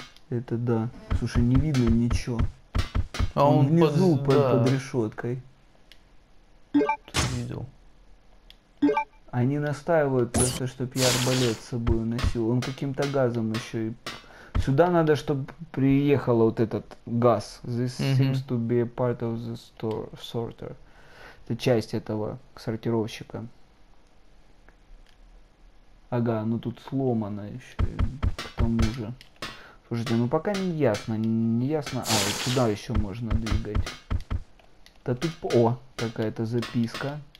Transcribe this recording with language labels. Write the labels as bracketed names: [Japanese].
[Russian] Это да. Слушай, не видно ничего. А он внизу под, да. под решеткой. Ты видел. Они настаивают просто, чтобы я арбалет с собой носил. Он каким-то газом еще и... Сюда надо, чтобы приехал вот этот газ. [English] This seems to be a part of the store, sorter. [Russian] Это часть этого сортировщика. Ага, ну тут сломано еще. К тому же. Слушайте, ну пока не ясно. Не ясно. А, вот сюда еще можно двигать. Да тут... О, какая-то записка.